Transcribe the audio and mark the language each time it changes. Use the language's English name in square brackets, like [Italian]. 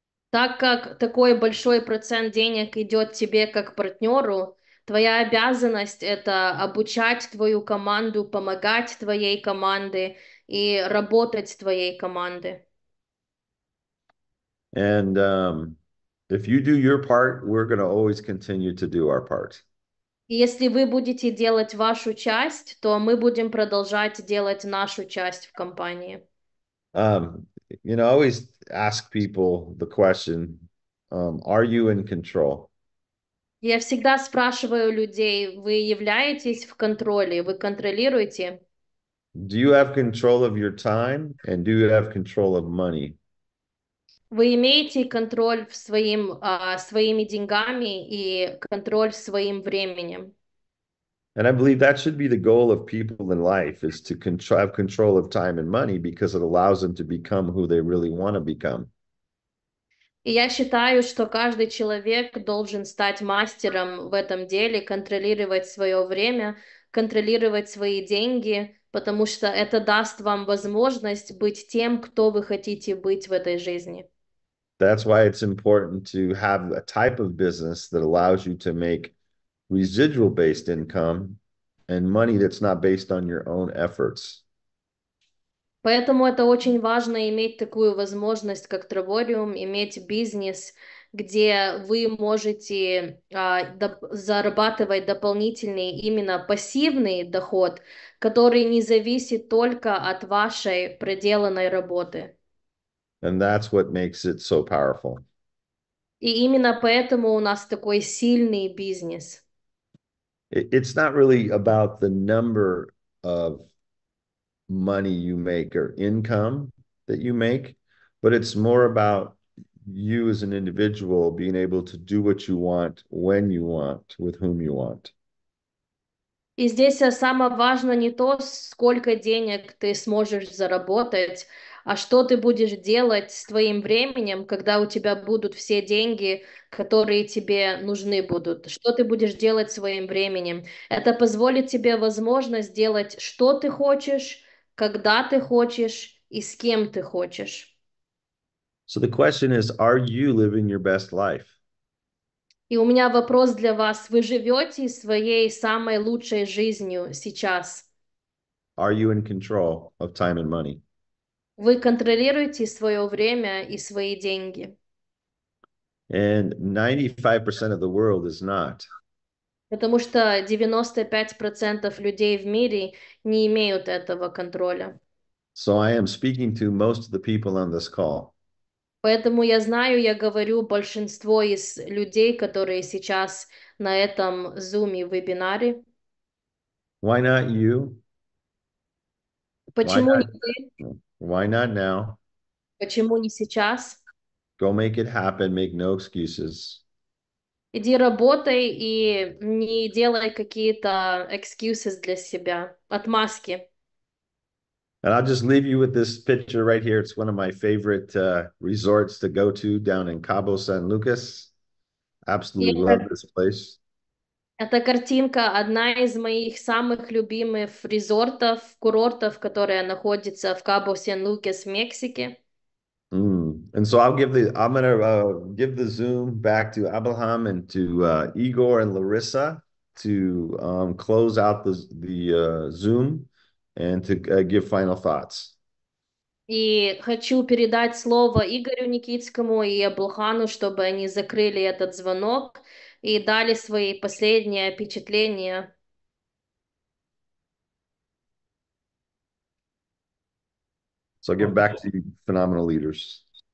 [Russian] так как такой большой процент денег идет тебе как партнеру, твоя обязанность это обучать твою команду, помогать твоей команде и работать с твоей командой. [English] And if you do your part, we're going to always continue to do our part. [Russian] Если вы будете делать вашу часть, то мы будем продолжать делать нашу часть в компании. [English] You know, I always ask people the question, are you in control? [Russian] Я всегда спрашиваю людей, вы являетесь в контроле, вы контролируете? [English] Do you have control of your time and do you have control of money? [Russian] Вы имеете контроль своими деньгами и контроль своим временем? [English] And I believe that should be the goal of people in life is to have control of time and money because it allows them to become who they really want to become. [Russian] И я считаю, что каждый человек должен стать мастером в этом деле, контролировать свое время, контролировать свои деньги, потому что это даст вам возможность быть тем, кто вы хотите быть в этой жизни. [English] That's why it's important to have a type of business that allows you to make residual-based income and money that's not based on your own efforts. [Russian] Поэтому это очень важно иметь такую возможность, как Траворium, иметь бизнес, где вы можете зарабатывать дополнительный именно пассивный доход, который не зависит только от вашей проделанной работы. [English] And that's what makes it so powerful. [Russian] И именно поэтому у нас такой сильный бизнес. [English] It's not really about the number of money you make or income that you make, but it's more about you as an individual being able to do what you want, when you want, with whom you want. [Russian] И здесь самое важное не то, сколько денег ты сможешь заработать, а что ты будешь делать с твоим временем, когда у тебя будут все деньги, которые тебе нужны будут. Что ты будешь делать своим временем? Это позволит тебе возможность делать, что ты хочешь, когда ты хочешь и с кем ты хочешь. [English] So the question is, are you living your best life? [Russian] И у меня вопрос для вас. Вы живете своей самой лучшей жизнью сейчас? [English] Are you in control of time and money? [Russian] Вы контролируете свое время и свои деньги? [English] And 95% of the world is not. [Russian] Потому что 95% людей в мире не имеют этого контроля. [English] So I am speaking to most of the people on this call. [Russian] Поэтому я знаю, я говорю большинство из людей, которые сейчас на этом зуме-вебинаре. [English] Why not you? Why [Russian] Почему не вы? [English] not? Why not now? [Russian] Почему не сейчас? [English] Go make it happen, make no excuses. [Russian] Иди работай и не делай какие-то excuses для себя, отмазки. [English] And I'll just leave you with this picture right here. It's one of my favorite resorts to go to down in Cabo San Lucas. Absolutely love this place. [Russian] Эта картинка одна из моих самых любимых резортов, курортов, которая находится в Кабо-Сан-Лукас, Мексике. [English] And so I'm gonna give the Zoom back to Abraham and to Igor and Larissa to close out the Zoom. and to give final thoughts. [Russian] И хочу передать слово Игорю Никитскому и Абулхану, чтобы они закрыли этот звонок и дали свои последние впечатления. [English] So I'll get back to you, phenomenal leaders.